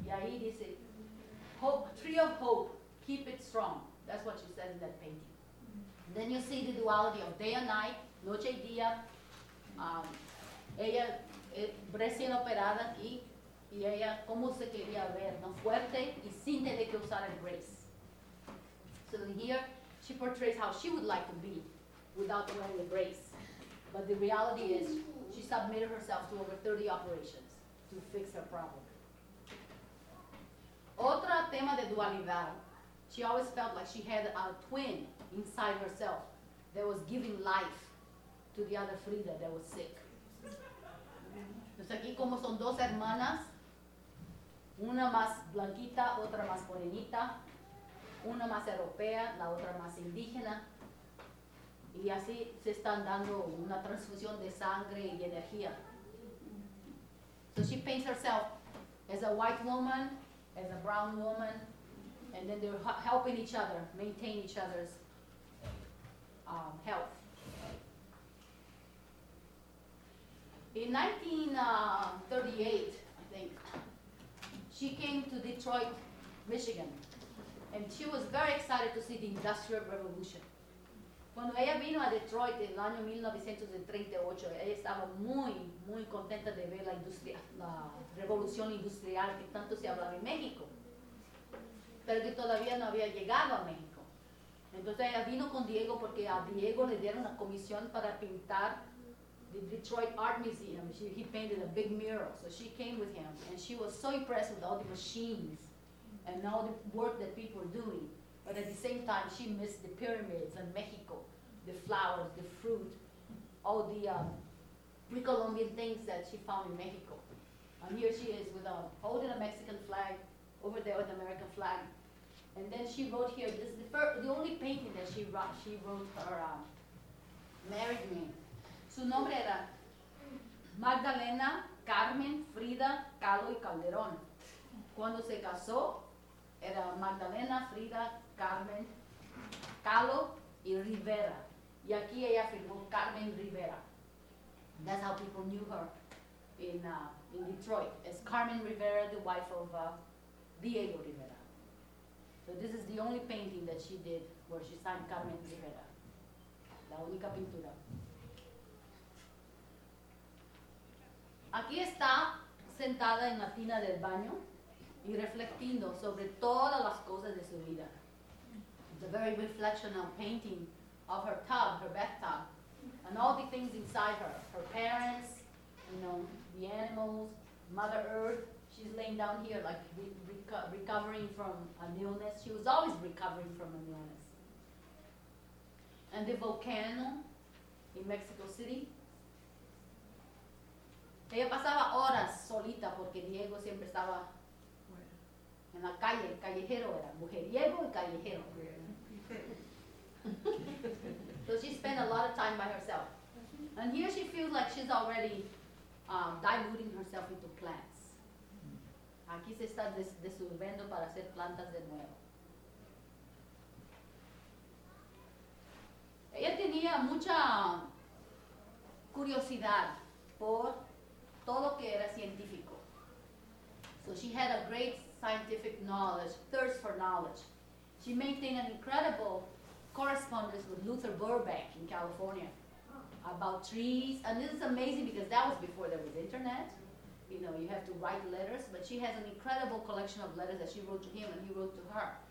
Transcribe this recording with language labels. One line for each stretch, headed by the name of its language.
Spanish: Y ahí dice,
English: hope, tree of hope, keep it strong. That's what she said in that painting. Then you see the duality of day and night,
Spanish: noche y día. Ella recién operada y ella como se quería ver, no fuerte y sin tener que usar el brace.
English: So here she portrays how she would like to be without wearing the brace. But the reality is she submitted herself to over 30 operations to fix her problem.
Spanish: Otro tema de dualidad.
English: She always felt like she had a twin inside herself that was giving life to the other Frida that was sick.
Spanish: Entonces aquí como son dos hermanas, una más blanquita, otra más morenita, una más europea, la otra más indígena, y así se están dando una transfusión de sangre y energía.
English: So she paints herself as a white woman, as a brown woman, and then they're helping each other, maintain each other's health. In 1938, I think, she came to Detroit, Michigan, and she was very excited to see the Industrial Revolution.
Spanish: Cuando ella vino a Detroit en el año 1938, ella estaba muy, muy contenta de ver la industria, la revolución industrial que tanto se hablaba en México, pero que todavía no había llegado a México. Entonces ella vino con Diego porque a Diego le dieron una comisión para pintar
English: the Detroit Art Museum. He painted a big mural. So she came with him and she was so impressed with all the machines and all the work that people were doing. But at the same time, she missed the pyramids and Mexico, the flowers, the fruit, all the pre-Columbian things that she found in Mexico. And here she is with holding a Mexican flag over there with the American flag. And then she wrote here, this is the only painting that she wrote her married name.
Spanish: Su nombre era Magdalena Carmen Frida Kahlo y Calderón. Cuando se casó, era Magdalena Frida Carmen Kahlo y Rivera. Y aquí ella firmó
English: Carmen Rivera. That's how people knew her in Detroit. It's Carmen Rivera, the wife of Diego Rivera. So this is the only painting that she did where she signed Carmen Rivera.
Spanish: La única pintura. Aquí está sentada en la tina del baño y reflectiendo sobre todas las cosas de su vida.
English: It's a very reflectional painting of her tub, her bathtub, and all the things inside her. Her parents, you know, the animals, Mother Earth. She's laying down here like recovering from an illness. She was always recovering from an illness. And the volcano in Mexico City.
Spanish: Ella pasaba horas solita porque Diego siempre estaba en la calle, callejero era, mujeriego y callejero.
English: So she spent a lot of time by herself. And here she feels like she's already diluting herself into plants.
Spanish: Aquí se está disolviendo para hacer plantas de nuevo. Ella tenía mucha curiosidad por todo que era científico.
English: So she had a great scientific knowledge, thirst for knowledge. She maintained an incredible correspondence with Luther Burbank in California about trees. And this is amazing because that was before there was internet. You know, you have to write letters, but she has an incredible collection of letters that she wrote to him and he wrote to her.